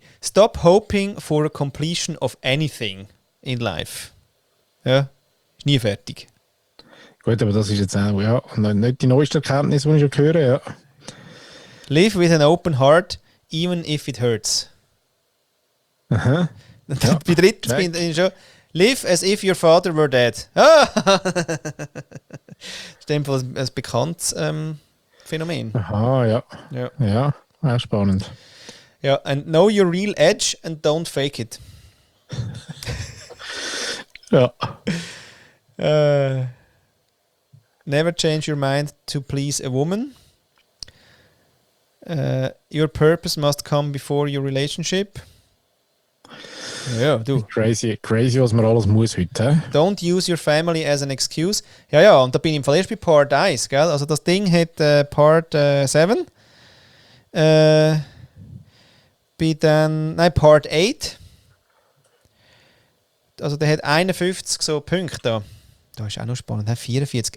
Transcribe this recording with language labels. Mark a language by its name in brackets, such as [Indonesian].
[English] Stop hoping for a completion of anything in life. [German] Ja, ist nie fertig. Gut, aber das ist jetzt auch, ja, nicht die neueste Erkenntnis, die ich schon höre, ja. [English] Live with an open heart, even if it hurts. Aha. [German] Ja. Bei dritten bin ich schon. [English] Live as if your father were dead. Ah! [German] Das ist ein bekanntes Phänomen. Aha, ja. Ja, ja, auch spannend. [English] Ja, and know your real edge and don't fake it. [German] Ja. [English] Never change your mind to please a woman. Your purpose must come before your relationship. [German] Ja, du. Crazy, was man alles muss heute. [English] Don't use your family as an excuse. [German] Ja, ja, und da bin ich im Fall erst bei Part 1, gell? Also das Ding hat Part 7. Part 8. Also der hat 51 so Punkte da. Da ist auch noch spannend, 44.